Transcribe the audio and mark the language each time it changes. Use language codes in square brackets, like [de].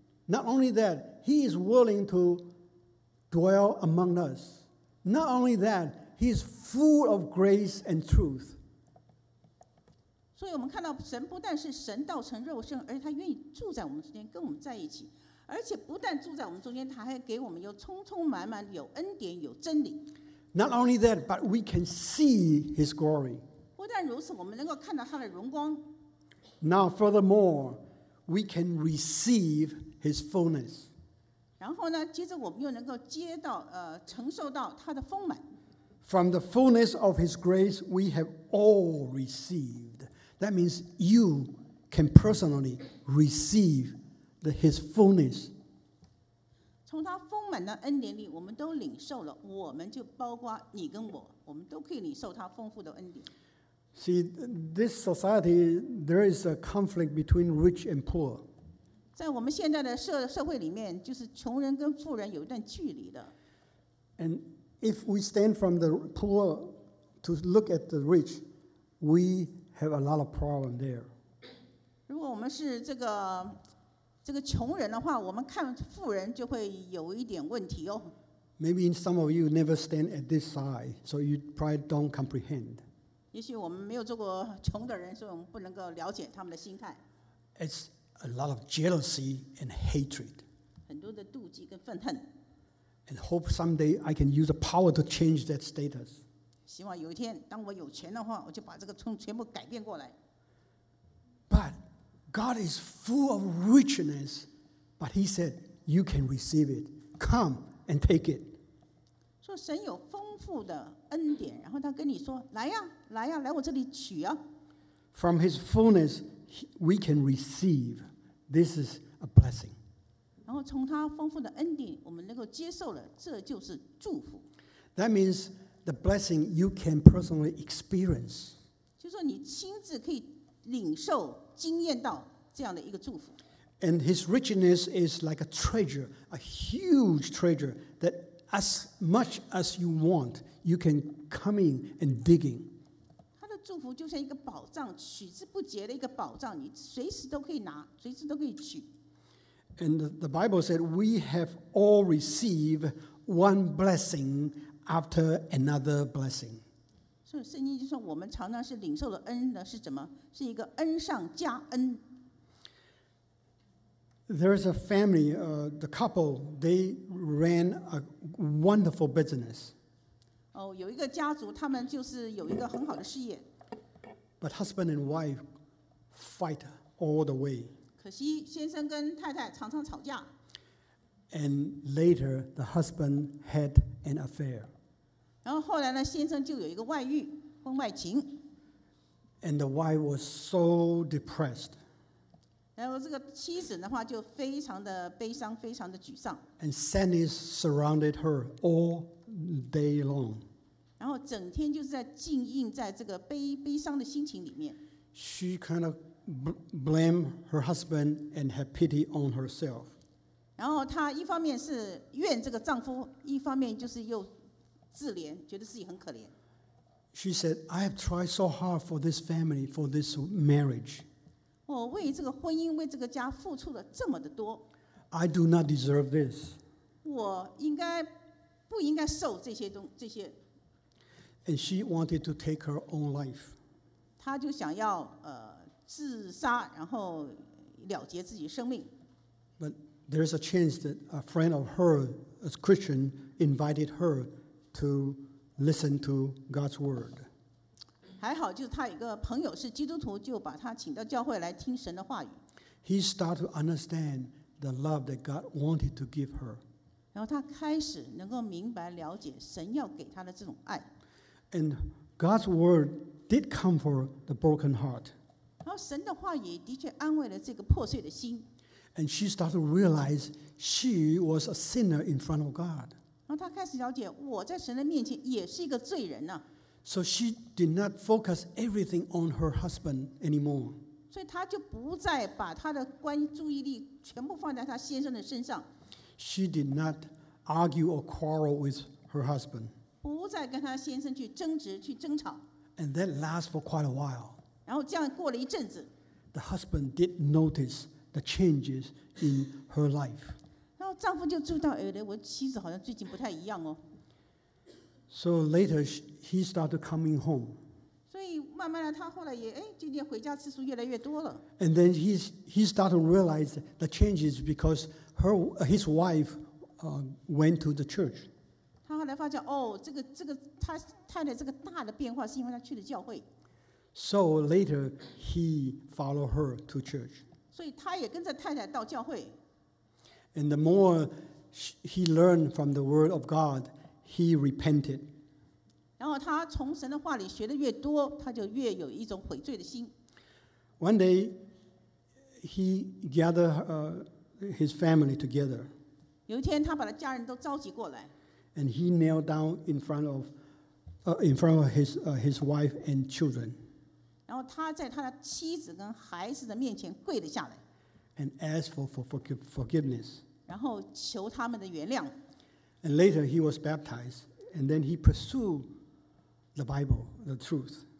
[en] Not only that, he is willing to dwell among us. Not only that, he is full of grace and truth. [zh] 所以我们看到神不但是神道成肉身，而且他愿意住在我们中间，跟我们在一起。而且不但住在我们中间，他还给我们有充充满满有恩典，有真理。 [en] Not only that, but we can see His glory. [zh] 不但如此，我们能够看到他的荣光。 [en] Now, furthermore, we can receive His fullness. [zh] 然后呢，接着我们又能够接到承受到他的丰满。 [en] From the fullness of His grace, we have all received. That means you can personally receive His fullness. [zh] 从他丰满的恩典里，我们都领受了。我们就包括你跟我，我们都可以领受他丰富的恩典。 [en] See, this society, there is a conflict between rich and poor. [zh] 在我们现在的社会里面，就是穷人跟富人有一段距离的。 [en] And if we stand from the poor to look at the rich, we have a lot of problem there. [zh] 如果我们是这个穷人的话，我们看富人就会有一点问题哦。 [en] Maybe some of you never stand at this side, so you probably don't comprehend. [zh] 也许我们没有做过穷的人，所以我们不能够了解他们的心态。 [en] It's a lot of jealousy and hatred. [zh] 很多的妒忌跟愤恨。 [en] And hope someday I can use the power to change that status. [zh] 希望有一天，当我有钱的话，我就把这个全部改变过来。 [en] But God is full of richness, but he said, you can receive it. Come and take it. [zh] 说神有丰富的恩典，然后他跟你说，来呀，来呀，来我这里取啊。 [en] From his fullness, we can receive. This is a blessing. [zh] 然后从他丰富的恩典，我们能够接受了，这就是祝福。 [en] That means the blessing you can personally experience. [zh] 就说你亲自可以领受、经验到这样的一个祝福。 [en] And his richness is like a treasure, a huge treasure that as much as you want, you can come in and digging. [zh] 他的祝福就像一个宝藏，取之不竭的一个宝藏，你随时都可以拿，随时都可以取。 [en] And the Bible said we have all received one blessing after another blessing. [zh] 所以圣经就说我们常常是领受了恩的是怎么？是一个恩上加恩。 [en] There is a family, the couple, they ran a wonderful business. [zh] Oh, 有一个家族，他们就是有一个很好的事业。 [en] But husband and wife fight all the way. [zh] 可惜先生跟太太常常吵架。 [en] And later, the husband had an affair. [zh] 然后后来呢，先生就有一个外遇，婚外情。 [en] And the wife was so depressed. [zh] 然后这个妻子的话就非常的悲伤，非常的沮丧。 [en] And sadness surrounded her all day long. [zh] 然后整天就是在浸淫在这个悲伤的心情里面。 [en] She kind of blamed her husband and had pity on herself. [zh] 然后她一方面是怨这个丈夫，一方面就是又自怜，觉得自己很可怜。 [en] She said, "I have tried so hard for this family, for this marriage." [zh] 我为这个婚姻，为这个家付出了这么的多。 [en] I do not deserve this. [zh] 我应该不应该受这些东这些 [en] ？And she wanted to take her own life. [zh] 她就想要自杀，然后了结自己生命。 [en] But there is a chance that a friend of her, a Christian, invited her to listen to God's word. [zh] 还好就是他一个朋友是基督徒就把他请到教会来听神的话语。 [en] He started to understand the love that God wanted to give her. [zh] 然后他开始能够明白了解神要给他的这种爱。 [en] And God's word did comfort the broken heart. [zh] 然后神的话语的确安慰了这个破碎的心。 [en] And she started to realize she was a sinner in front of God. [zh] 然后他开始了解我在神的面前也是一个罪人呢。 [en] So she did not focus everything on her husband anymore. [zh] 所以她就不再把她的注意力全部放在她先生的身上。 [en] She did not argue or quarrel with her husband. [zh] 不再跟她先生去争执、去争吵。 [en] And that lasted for quite a while. [zh] 然后这样过了一阵子。 [en] The husband did notice the changes in her life. [zh] 然后丈夫就注意到，我妻子好像最近不太一样哦。 [en] So later, he started coming home. [zh] 所以慢慢的，他后来也渐渐回家次数越来越多了。 [en] And then he started to realize the changes because his wife went to the church. [zh] 他后来发现哦，这个他太太这个大的变化是因为他去了教会。 [en] So later, he followed her to church. [zh] 所以他也跟着太太到教会。 [en] And the more he learned from the word of God. He repented. [zh] 然后他从神的话里学的越多，他就越有一种悔罪的心。 [en] One day, he gathered his family together. [zh] 有一天，他把他家人都召集过来。 [en] And he knelt down in front of his wife and children. [zh] 然后他在他的妻子跟孩子的面前跪了下来。 [en] And asked for forgiveness. [zh] 然后求他们的原谅。 [en] And later he was baptized, and then he pursued the Bible, the truth.